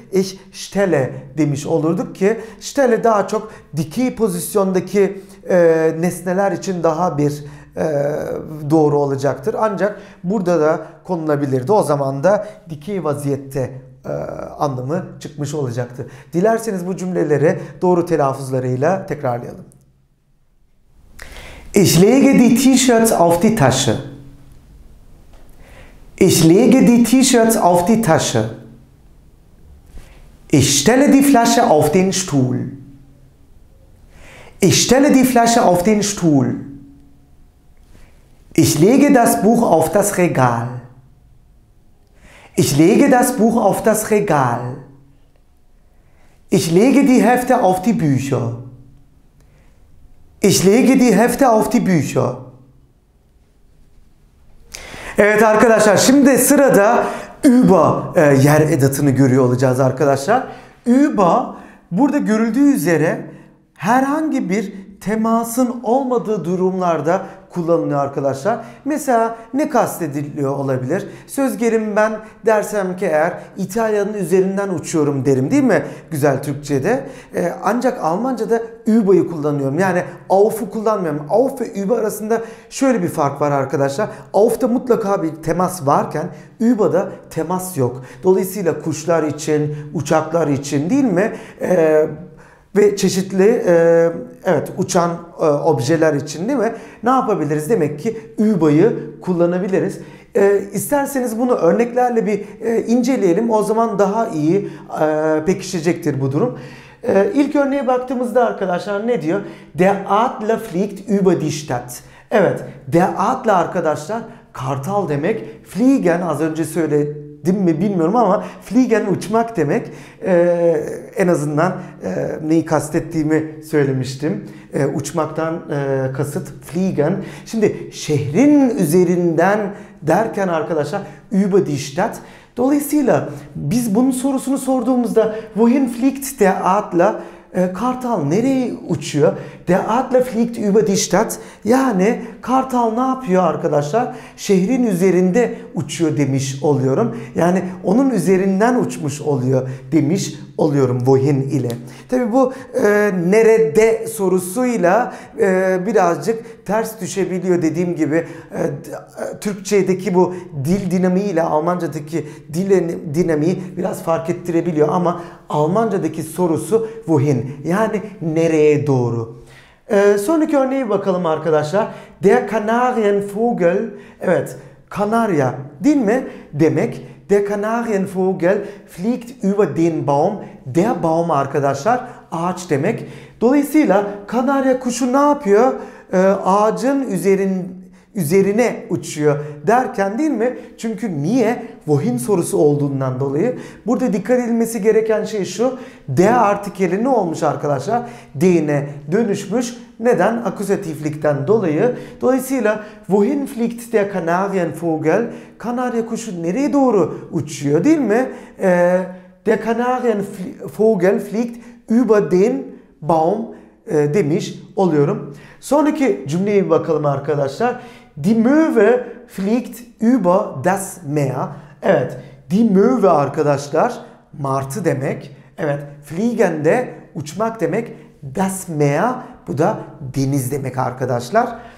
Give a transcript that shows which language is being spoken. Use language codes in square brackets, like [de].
[de] Ich stelle [tr] demiş olurduk ki stelle daha çok dikey pozisyondaki nesneler için daha bir doğru olacaktır. Ancak burada da konulabilirdi. O zaman da dikey vaziyette anlamı çıkmış olacaktı. Dilerseniz bu cümleleri doğru telaffuzlarıyla tekrarlayalım. [de] Ich lege die T-shirts auf die Tasche. Ich lege die T-shirts auf die Tasche. Ich stelle die Flasche auf den Stuhl. Ich stelle die Flasche auf den Stuhl. Ich lege das Buch auf das Regal. Ich lege das Buch auf das Regal. Ich lege die Hefte auf die Bücher. Ich lege die Hefte auf die Bücher. [tr] Evet arkadaşlar, şimdi sırada über yer edatını görüyor olacağız arkadaşlar. Über burada görüldüğü üzere herhangi bir temasın olmadığı durumlarda kullanılıyor arkadaşlar. Mesela ne kastediliyor olabilir? Söz gelin ben dersem ki eğer İtalya'nın üzerinden uçuyorum derim değil mi? Güzel Türkçe'de. Ancak Almanca'da über'ı kullanıyorum. Yani auf'u kullanmıyorum. Auf ve über arasında şöyle bir fark var arkadaşlar. Auf'ta mutlaka bir temas varken über'da temas yok. Dolayısıyla kuşlar için, uçaklar için değil mi? Ve çeşitli evet uçan objeler için değil mi? Ne yapabiliriz? Demek ki über'ı kullanabiliriz. İsterseniz bunu örneklerle bir inceleyelim. O zaman daha iyi pekişecektir bu durum. İlk örneğe baktığımızda arkadaşlar ne diyor? [de] Der Adler fliegt über die Stadt. [tr] Evet, [de] der Adler [tr] arkadaşlar kartal demek. Fliegen az önce söyledim. değil mi bilmiyorum ama fliegen uçmak demek en azından neyi kastettiğimi söylemiştim. Uçmaktan kasıt fliegen. Şimdi şehrin üzerinden derken arkadaşlar [de] über die Stadt. [tr] Dolayısıyla biz bunun sorusunu sorduğumuzda [de] wohin fliegt der Adler? [tr] Kartal nereye uçuyor? [de] Der Adler fliegt über die Stadt. [tr] Yani kartal ne yapıyor arkadaşlar? Şehrin üzerinde uçuyor demiş oluyorum. Yani onun üzerinden uçmuş oluyor demiş oluyorum wohin ile. Tabi bu nerede sorusuyla birazcık ters düşebiliyor dediğim gibi. Türkçedeki bu dil dinamiği ile Almanca'daki dil dinamiği biraz fark ettirebiliyor ama Almanca'daki sorusu wohin. Yani nereye doğru. Sonraki örneğe bakalım arkadaşlar. [de] Der Kanarienvogel, [tr] evet Kanarya değil mi demek. [de] Der Kanarienvogel fliegt über den Baum. Der Baum [tr] arkadaşlar ağaç demek. Dolayısıyla Kanarya kuşu ne yapıyor? Ağacın üzerine uçuyor derken değil mi? Çünkü niye? Wohin sorusu olduğundan dolayı. Burada dikkat edilmesi gereken şey şu. De artikeli ne olmuş arkadaşlar? De'ne dönüşmüş. Neden? Akusatiflikten dolayı. Dolayısıyla [de] wohin fliegt der Kanarienvogel? [tr] Kanarya kuşu nereye doğru uçuyor değil mi? [de] Der Kanarienvogel fliegt über den Baum [tr] demiş oluyorum. Sonraki cümleye bir bakalım arkadaşlar. [de] Die Möwe fliegt über das Meer. [tr] Evet, [de] die Möwe [tr] arkadaşlar martı demek. Evet, fliegen de uçmak demek. [de] Das Meer [tr] bu da deniz demek arkadaşlar.